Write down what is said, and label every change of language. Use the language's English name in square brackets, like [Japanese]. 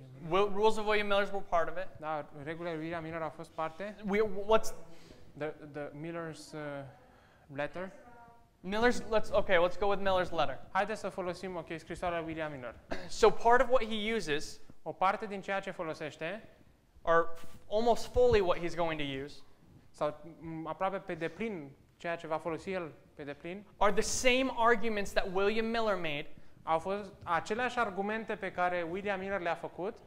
[English] Rules of William Miller's were part of it. [Romanian] Da, regulile William Miller au fost parte. [English] What's the Miller's letter? Let's go with Miller's letter. [Romanian] Haideți să folosim, okay, scrisoarea William Miller. [English] So part of what he uses, [Romanian] o parte din ceea ce folosește, [English] or almost fully what he's going to use, [Romanian] sau aproape pe deplin ceea ce va folosi el pe deplin, [English] are the same arguments that William Miller made. [Romanian] Au fost aceleași argumente pe care William Miller le-a făcut